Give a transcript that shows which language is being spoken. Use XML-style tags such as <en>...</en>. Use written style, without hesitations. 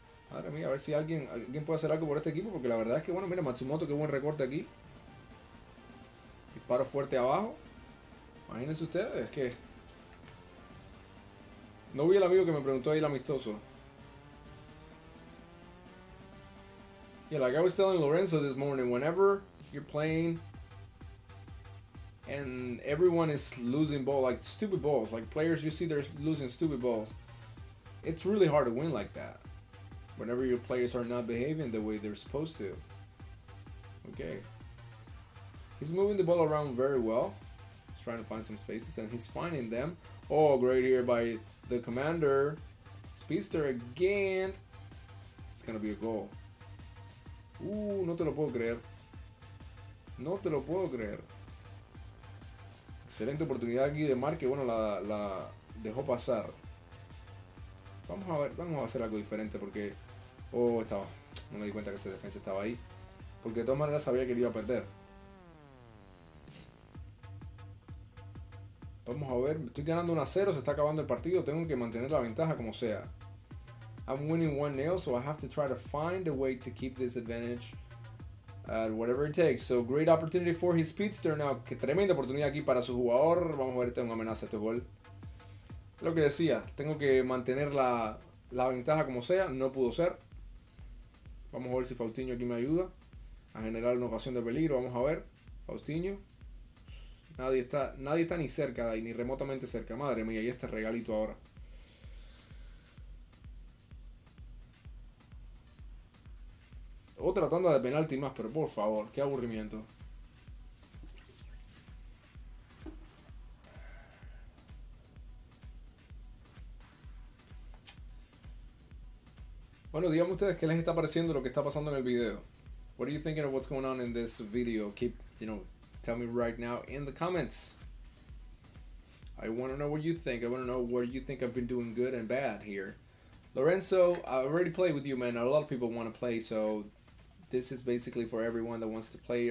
<es>Madre mía, a ver si alguien puede hacer algo por este equipo, porque la verdad es que, bueno, mira, Matsumoto, qué buen recorte aquí. Disparo fuerte abajo. Imagínense ustedes, es que... No vi el amigo que me preguntó ahí el amistoso.</es> <en>Yeah, like I was telling Lorenzo this morning, whenever you're playing and everyone is losing ball, like stupid balls, like players you see, they're losing stupid balls. It's really hard to win like that. Whenever your players are not behaving the way they're supposed to. Okay. He's moving the ball around very well. He's trying to find some spaces and he's finding them. Oh, great here by the commander. Speedster again. It's gonna be a goal.</en> <es>No te lo puedo creer. No te lo puedo creer. Excelente oportunidad aquí de Marque. Bueno, la dejó pasar. Vamos a ver, vamos a hacer algo diferente porque... Oh, estaba. No me di cuenta que ese defensa estaba ahí. Porque de todas maneras sabía que lo iba a perder. Vamos a ver, estoy ganando 1-0, se está acabando el partido, tengo que mantener la ventaja como sea.</es> <en>I'm winning 1-0, so I have to try to find a way to keep this advantage at whatever it takes. So, great opportunity for his speedster.</en> <es>Now, qué tremenda oportunidad aquí para su jugador. Vamos a ver, tengo una amenaza este gol. Lo que decía, tengo que mantener la ventaja como sea, no pudo ser. Vamos a ver si Faustinho aquí me ayuda a generar una ocasión de peligro. Vamos a ver, Faustinho. Nadie está ni cerca de ahí, ni remotamente cerca. Madre mía, y este regalito ahora. Otra tanda de penalti más, pero por favor, qué aburrimiento. Bueno, díganme ustedes qué les está pareciendo lo que está pasando en el video.</es> <en>What are you thinking of what's going on in this video? Keep, you know, tell me right now in the comments. I want to know what you think. I want to know what you think I've been doing good and bad here. Lorenzo, I already played with you, man. A lot of people want to play, so this is basically for everyone that wants to play.</en>